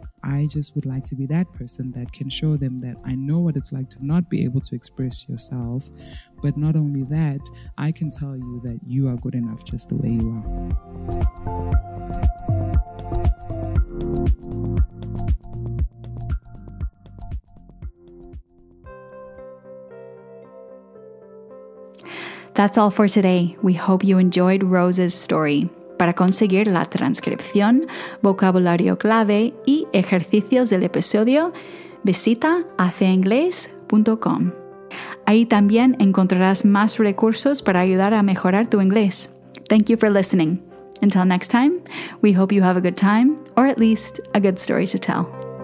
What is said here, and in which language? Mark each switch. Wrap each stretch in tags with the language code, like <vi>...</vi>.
<en>I just would like to be that person that can show them that I know what it's like to not be able to express yourself, but not only that, I can tell you that you are good enough just the way you are. That's all for today. We hope you enjoyed Rose's story.</en> <es>Para conseguir la transcripción, vocabulario clave y ejercicios del episodio, visita haceinglés.com. Ahí también encontrarás más recursos para ayudar a mejorar tu inglés.</es> <en>Thank you for listening. Until next time, we hope you have a good time, or at least a good story to tell.</en>